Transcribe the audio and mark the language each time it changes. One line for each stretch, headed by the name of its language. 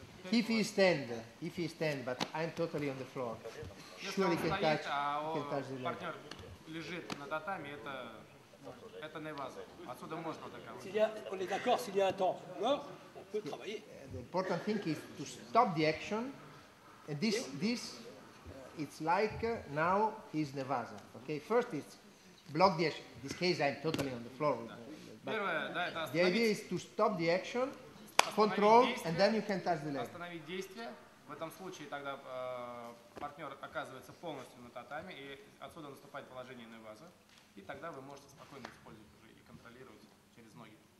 English: If he stand, if he stand, but I'm totally on the floor. Surely can touch, can touch the leg.
Russian: Партнер лежит на татами, это неваза. Отсюда можно атаковать.
French: On est d'accord, s'il y a un temps, non, on peut travailler.
English: The important thing is to stop the action, and this, it's like now he's neваза. Okay, first it's block the action. In this case, I'm totally on the floor.
Russian: Да.
English: But
Russian: первое, да,
English: the idea is to stop the action, control,
Russian: действие,
English: and then you can touch the leg.
Russian: Остановить действие. В этом случае тогда партнер оказывается полностью на татами, и отсюда наступает положение на вазу. И тогда вы можете спокойно использовать уже и контролировать через ноги.